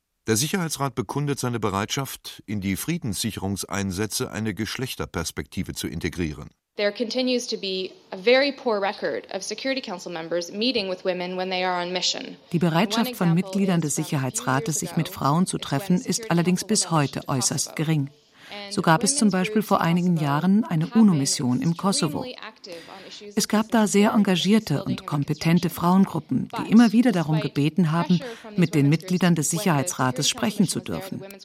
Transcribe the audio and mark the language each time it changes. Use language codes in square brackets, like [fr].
[de] Der Sicherheitsrat bekundet seine Bereitschaft, in die Friedenssicherungseinsätze eine Geschlechterperspektive zu integrieren. [en] There continues to be a very poor record of Security Council members meeting with women when they are on mission. [de] Die Bereitschaft von Mitgliedern des Sicherheitsrates, sich mit Frauen zu treffen, ist allerdings bis heute äußerst gering. So gab es zum Beispiel vor einigen Jahren eine UNO-Mission im Kosovo. Es gab da sehr engagierte und kompetente Frauengruppen, die immer wieder darum gebeten haben, mit den Mitgliedern des Sicherheitsrates sprechen zu dürfen.